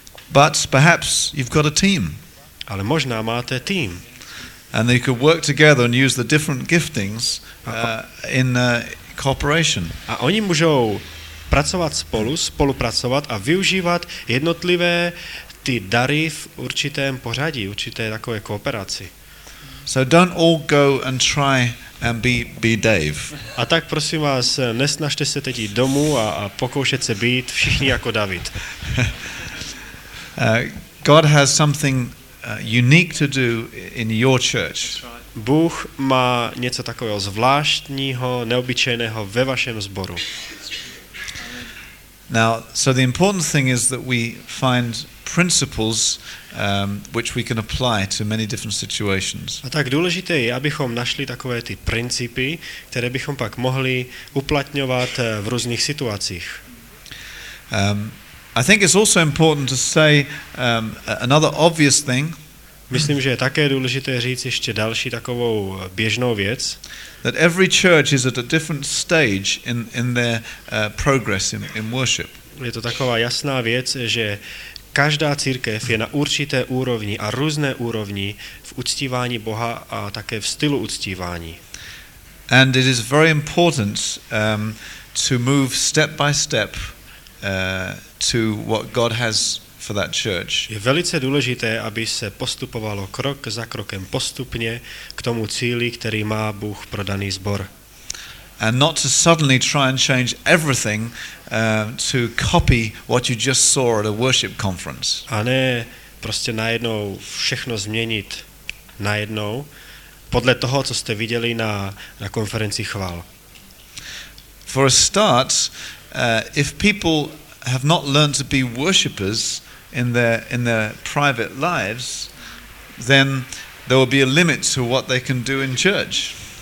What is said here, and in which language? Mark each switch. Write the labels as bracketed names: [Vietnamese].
[English] But perhaps you've got a team. [Czech] Ale možná máte tým. [English] And they could work together and use the different giftings in cooperation. [Czech] A oni můžou pracovat spolupracovat a využívat jednotlivé ty dary v určitém pořadí, určité takové kooperaci. [English] So don't all go and try and be Dave. [Czech] A tak prosím vás, nesnažte se teď jít domů a pokoušet se být všichni jako David. [English] God has something unique to do in your church. [Czech] Bůh má něco takového zvláštního, neobyčejného ve vašem sboru. [English] Now, so the important thing is that we find principles which we can apply to many different situations. [Czech] A tak důležité je, abychom našli takové ty principy, které bychom pak mohli uplatňovat v různých situacích. [English] I think it's also important to say another obvious thing. [Czech] Myslím, že je také důležité říct ještě další takovou běžnou věc. [English] That every church is at a different stage in their progress in worship. [Czech] Je to taková jasná věc, že každá církev je na určité úrovni a různé úrovni v uctívání Boha a také v stylu uctívání. [English] And it is very important to move step by step to what God has for that church. [Czech] Je velice důležité, aby se postupovalo krok za krokem postupně k tomu cíli, který má Bůh pro daný sbor. [English] And not to suddenly try and change everything to copy what you just saw at a worship conference. [Czech] A ne prostě najednou všechno změnit najednou podle toho, co jste viděli na konferenci chvál. [English] For a start, if people have not learned to be worshipers in their private lives, then there will be a limit to what they can do in church.